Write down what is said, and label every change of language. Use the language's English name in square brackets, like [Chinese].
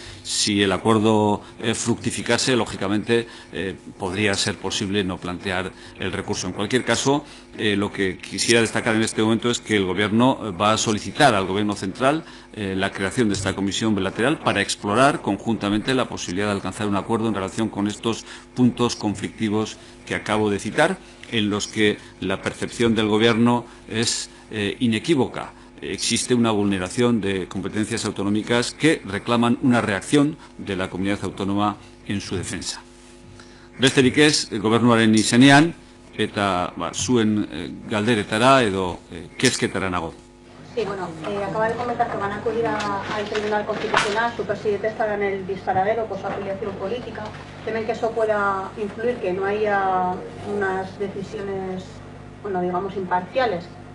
[Spanish] si el acuerdo fructificase, lógicamente podría ser posible no plantear el recurso. En cualquier caso, lo que quisiera destacar en este momento es que el Gobierno va a solicitar al Gobierno central la creación de esta comisión bilateral para explorar conjuntamente la posibilidad de alcanzar un acuerdo en relación con estos puntos conflictivos que acabo de citar, en los que la percepción del Gobierno es inequívoca. Existe una vulneración de competencias autonómicas que reclaman una reacción de la comunidad autónoma en su defensa. [Basque] Besterik ez, gobernuaren izenean, eta zuen galderetara edo kezketara nago. [Spanish] Sí, bueno, acaba de comentar que van a acudir al Tribunal Constitucional, su presidente estará en el disparadero por su afiliación política. ¿Temen que eso pueda influir, que no haya unas decisiones, bueno, digamos, imparciales?